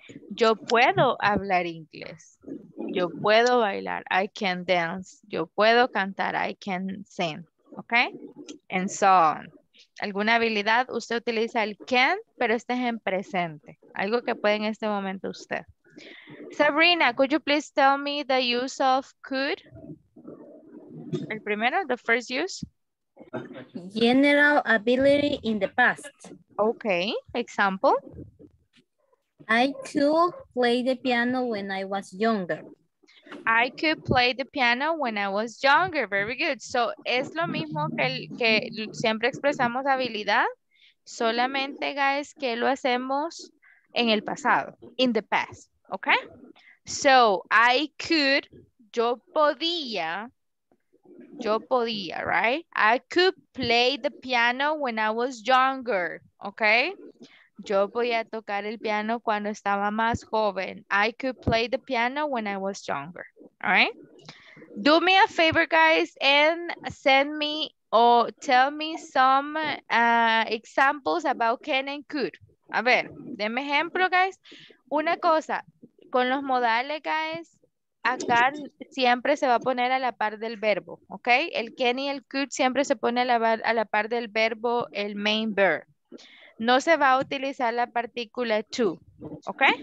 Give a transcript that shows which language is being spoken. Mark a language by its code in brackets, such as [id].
[es] Yo puedo hablar inglés. Yo puedo bailar. [en] I can dance. [es] Yo puedo cantar. [en] I can sing. Okay? And so on. [es] ¿Alguna habilidad? Usted utiliza el can, pero este es en presente. Algo que puede en este momento usted. [en] Sabrina, could you please tell me the use of could? [es] El primero, [en] the first use. General ability in the past. Okay, example. I could play the piano when I was younger. I could play the piano when I was younger. Very good. [es] So, es lo mismo que siempre expresamos habilidad. Solamente, guys, que lo hacemos en el pasado. [en] In the past. Okay, so I could, [es] yo podía, [en] right? I could play the piano when I was younger, okay? [es] Yo podía tocar el piano cuando estaba más joven. [en] I could play the piano when I was younger, all right? Do me a favor, guys, and send me or tell me some examples about can and could. [es] A ver, denme ejemplo, guys. Una cosa. Con los modales, guys, acá siempre se va a poner a la par del verbo, ¿ok? El can y el could siempre se pone a la par del verbo, el main verb. No se va a utilizar la partícula to, ¿ok?